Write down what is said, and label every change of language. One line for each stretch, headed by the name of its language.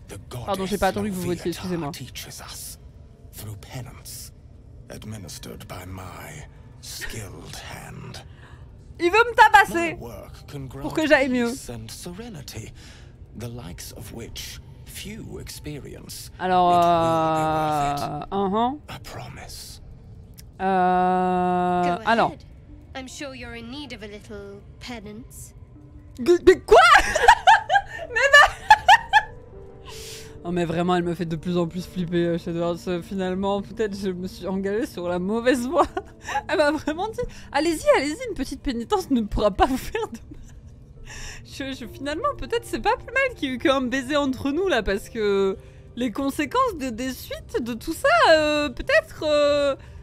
French: Pardon, j'ai pas attendu que vous votiez, excusez-moi.
English: Through penance administered by my skilled hand.
French: Il veut me tabasser pour que j'aille mieux.
English: And serenity, the likes of which few experience.
French: Alors,
English: A promise.
French: Alors.
English: I'm sure you're in need of a little penance.
French: Mais quoi? Mais bah... Oh mais vraiment, elle me fait de plus en plus flipper, Shadowhands. Finalement, peut-être je me suis engagée sur la mauvaise voie. Elle m'a vraiment dit, allez-y, une petite pénitence ne pourra pas vous faire de mal. Finalement, peut-être c'est pas plus mal qu'il y ait eu qu'un baiser entre nous, là, parce que les conséquences des suites de tout ça, peut-être...